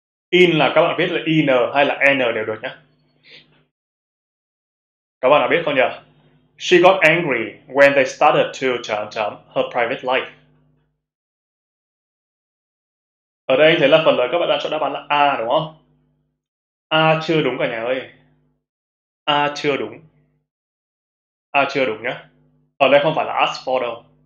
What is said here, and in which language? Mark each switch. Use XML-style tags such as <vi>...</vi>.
<vi>In là các bạn viết là in hay là n đều được nhé. Các bạn đã biết không nhỉ?</vi> <en>She got angry when they started to</en> <vi>chấm chấm</vi> <en>her private life.</en> <vi>Ở đây anh thấy là phần lớn các bạn đã chọn đáp án là A đúng không? A chưa đúng cả nhà ơi. A chưa đúng. A chưa đúng nhé. Ở đây không phải là ask for đâu.</vi>